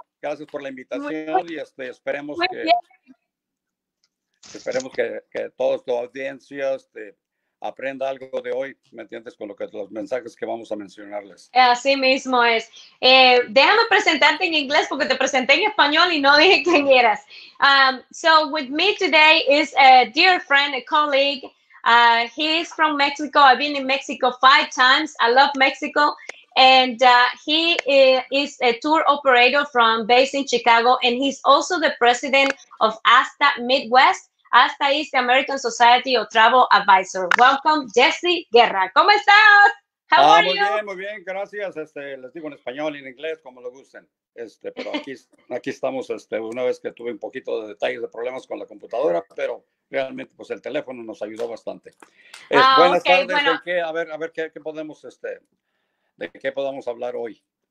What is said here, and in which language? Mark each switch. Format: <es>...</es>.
<es>Gracias por la invitación y esperemos que todos tu audiencia aprenda algo de hoy, ¿me entiendes? Con lo que los mensajes que vamos a mencionarles. Así mismo es. Déjame presentarte en inglés porque te presenté en español y no dije quién eras.</es> <en>So with me today is a dear friend, a colleague. He is from Mexico. I've been in Mexico 5 times. I love Mexico. And he is a tour operator from based in Chicago, and he's also the president of ASTA Midwest. ASTA is the American Society of Travel Advisor. Welcome, Jesse Guerra.</en> <es>¿Cómo estás?</es> <en>How are you?</en> <es>Muy bien, gracias. Les digo en español y en inglés, como lo gusten. Pero aquí estamos, una vez que tuve un poquito de detalles de problemas con la computadora, pero realmente, pues el teléfono nos ayudó bastante. Buenas okay, tardes. Bueno. ¿Qué podemos, ¿De qué podamos hablar hoy?</es>